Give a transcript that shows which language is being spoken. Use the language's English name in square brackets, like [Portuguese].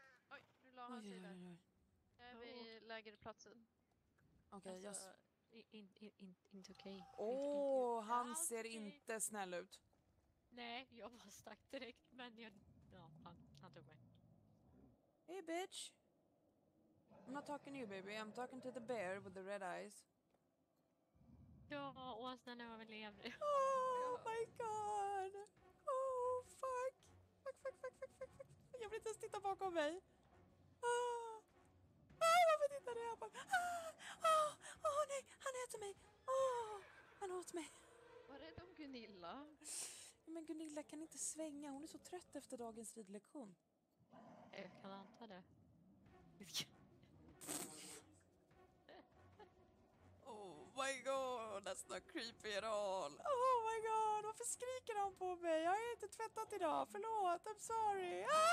[Swedish] Oj, nu la han sig där. Vi lägger platsen. Okej, okay, alltså, inte okej. Åh, han ser inte snäll ut. Nej, jag bara stack direkt, men jag, ja, han tog mig. [English] Hey bitch. I'm not talking to you baby, I'm talking to the bear with the red eyes. [Swedish] Ja, åsnan överlever. [English] Oh my god. Oh fuck. [Swedish] Fuck. Jag vill inte ens titta bakom mig. Varför tittar du här bakom? Nej, han äter mig. Han åt mig. Var rädd om Gunilla. Men Gunilla kan inte svänga, hon är så trött efter dagens ridlektion. Jag kan anta det. [English] Oh my god, that's not creepy at all. Oh my god, [Swedish] varför skriker han på mig? Jag har inte tvättat idag, förlåt, [English] I'm sorry.